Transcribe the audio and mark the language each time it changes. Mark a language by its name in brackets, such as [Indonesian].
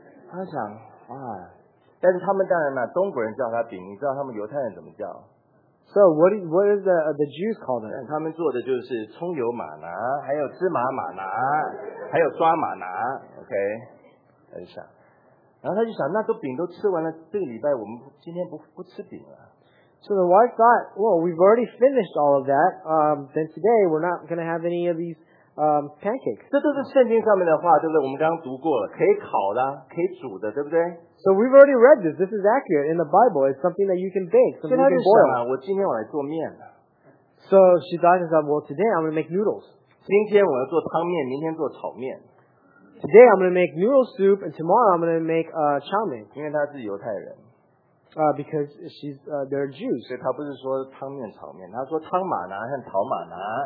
[Chinese] 他想, 啊, 但是他们当然啊, 中国人叫他饼, 你知道他们犹太人怎么叫? [English] So what is the Jews call them? [Chinese] 他们做的就是葱油玛拿, 还有芝麻玛拿, 还有抓玛拿, okay? 他就想, 然后他就想, 那都饼都吃完了, 这个礼拜, 我们今天不吃饼了。 [English] So the wife thought, well, we've already finished all of that, then today we're not going to have any of these pancakes. [Chinese] 这都是圣经上面的话, 对不对?我们刚刚读过了, 可以烤的, 可以煮的, 对不对? [English] So we've already read this. This is accurate in the Bible. It's something that you can bake, something you can boil. [Chinese] 现在就想啊, 我今天我来做面。 [English] So she thought, well, today I'm going to make noodles. [Chinese] 今天我要做汤面, 明天做炒面。 [English] Today I'm going to make noodle soup, and tomorrow I'm going to make chow mein. [Chinese] 因为她是犹太人。 [English] Because she's they're Jews. [Chinese] 所以他不是说汤面炒面，他说汤玛拿和炒玛拿。